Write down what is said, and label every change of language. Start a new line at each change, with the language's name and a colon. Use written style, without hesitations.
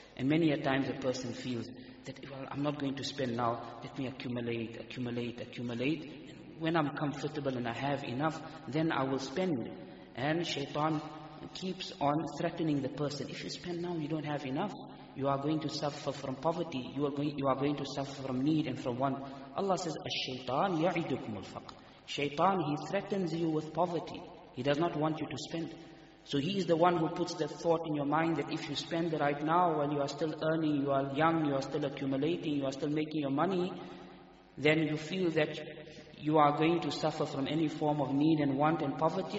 English: And many a times a person feels that, well, I'm not going to spend now, let me accumulate. And when I'm comfortable and I have enough, then I will spend. And shaitan keeps on threatening the person, if you spend now, you don't have enough, you are going to suffer from poverty, you are going to suffer from need and from want. Allah says,
Arabic: الشيطان يعدكم الفقر.
English: Shaitan, he threatens you with poverty. He does not want you to spend. So he is the one who puts the thought in your mind that if you spend right now while you are still earning, you are young, you are still accumulating, you are still making your money, then you feel that you are going to suffer from any form of need and want and poverty.